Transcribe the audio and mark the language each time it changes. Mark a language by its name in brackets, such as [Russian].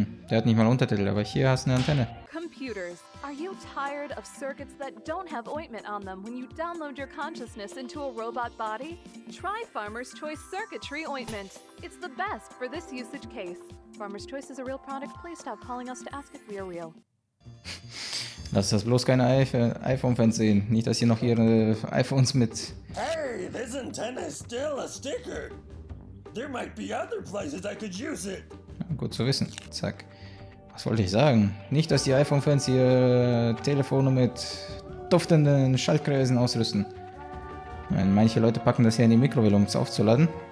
[German] Der hat nicht mal Untertitel, aber hier hast du eine Antenne. [English] Computers, are you tired of circuits that don't have ointment on them when you download your consciousness into a robot body? Try Farmer's Choice Circuitry Ointment. It's the best for this usage case. Farmer's Choice is a real product. Please stop calling us to ask if we are real. [German] Lass das bloß keine iPhone-Fans sehen. Nicht, dass ihr noch ihre iPhones mit... [English] Hey, this antenna is still a sticker. There might be other places I could use it. [German] Ja, gut zu wissen. Zack. Was wollte ich sagen? Nicht, dass die iPhone-Fans ihr Telefone mit duftenden Schaltkreisen ausrüsten. Manche Leute packen das hier in die Mikrowelle, um es aufzuladen.